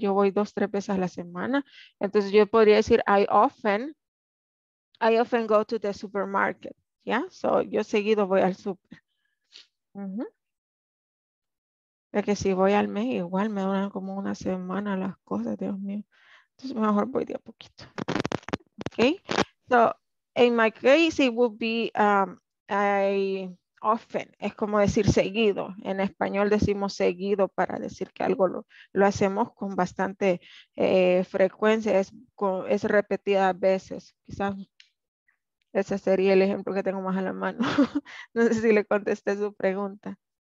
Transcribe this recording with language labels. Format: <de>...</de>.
<es>Yo voy 2-3 veces a la semana. Entonces yo podría decir,</es> <en>I often go to the supermarket.</en> <es>¿Ya? So yo seguido voy al súper. Es que si voy al mes, igual me duran como una semana las cosas, Dios mío. Entonces mejor voy de a poquito. Okay.</es> <en>So, in my case, it would be often.</en> <es>Es como decir seguido. En español decimos seguido para decir que algo lo hacemos con bastante frecuencia. Es repetidas veces. Quizás ese sería el ejemplo que tengo más a la mano. No sé si le contesté su pregunta.</es>